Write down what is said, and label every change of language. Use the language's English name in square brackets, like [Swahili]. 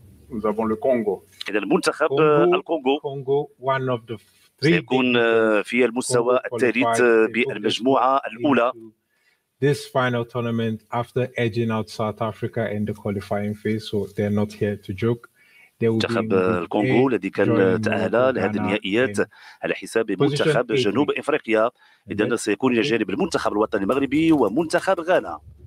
[French] Nous avons le Congo. [Arabic] إذن المنتخب الكونغو سيكون في المستوى الثالث بالمجموعة الأولى. [English] This final tournament after edging out South Africa in the qualifying phase, so they're not here to joke. [Arabic] منتخب الكونغو الذي كان تأهل لهذه النهائيات على حساب منتخب جنوب إفريقيا، إذن سيكون إلى جانب المنتخب الوطني المغربي ومنتخب غانا.